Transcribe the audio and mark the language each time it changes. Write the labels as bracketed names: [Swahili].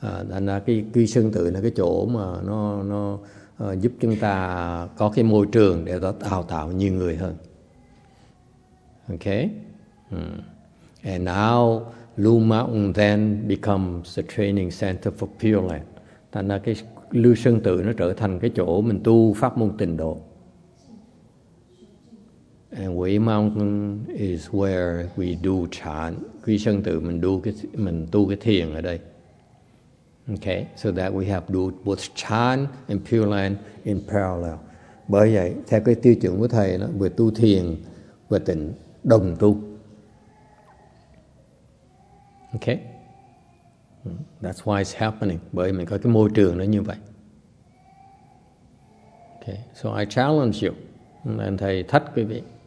[Vietnamese] Thành ra cái quy sơn tự là cái chỗ mà nó giúp chúng ta có cái môi trường để đào tạo nhiều người hơn. [English] Okay. And now Lu Mountain then becomes the training center for Pure Land. [Vietnamese] Thành ra cái lưu sơn tự nó trở thành cái chỗ mình tu pháp môn tịnh độ. [English] And Way Mountain is where we do chan. [Vietnamese] Quy sơn tự mình tu cái thiền ở đây. [English] Okay, so that we have do both chan and Pure Land in parallel. [Vietnamese] Bởi vậy, theo cái tiêu chuẩn của thầy đó, vừa tu thiền vừa tịnh đồng tu. [English] Okay, that's why it's happening. [Vietnamese] Bởi mình có cái môi trường nó như vậy. [English] Okay, so I challenge you, and [Vietnamese] thầy thách quý vị.